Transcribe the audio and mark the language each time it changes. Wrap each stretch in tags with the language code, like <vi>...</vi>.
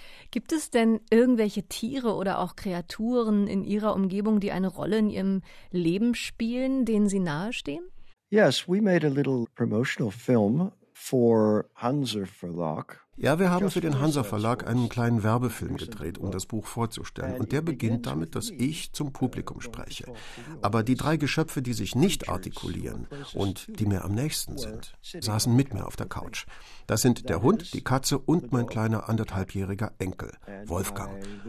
<de>Gibt es denn irgendwelche Tiere oder auch Kreaturen in Ihrer Umgebung, die eine Rolle in Ihrem Leben spielen, denen Sie nahestehen?</de> <en>Yes, we made a little promotional film for Hanser Verlag.</en> <de>Ja, wir haben für den Hanser Verlag einen kleinen Werbefilm gedreht, um das Buch vorzustellen. Und der beginnt damit, dass ich zum Publikum spreche. Aber die drei Geschöpfe, die sich nicht artikulieren und die mir am nächsten sind, saßen mit mir auf der Couch. Das sind der Hund, die Katze und mein kleiner 1,5-jähriger Enkel, Wolfgang.</de>